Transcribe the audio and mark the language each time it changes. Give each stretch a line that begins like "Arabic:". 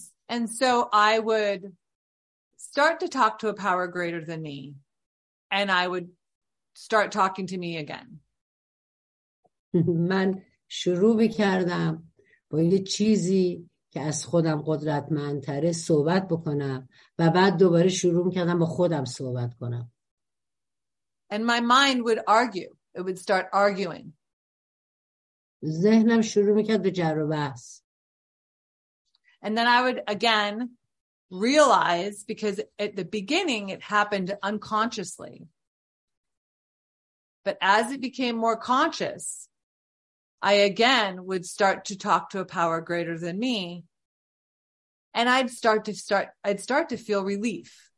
English: And so I would start to talk to a power greater than me, and I would start talking to me again.
Persian: من شروع می‌کردم با یه چیزی که از خودم قدرتمندتره صحبت بکنم و بعد دوباره شروع می‌کردم با خودم صحبت کنم.
English: And my mind would argue. It would start arguing.
Persian: ذهنم شروع می‌کرد به جر و بحث.
English: And then I would again realize, because at the beginning it happened unconsciously, but as it became more conscious, I again would start to talk to a power greater than me, and I'd start to feel relief.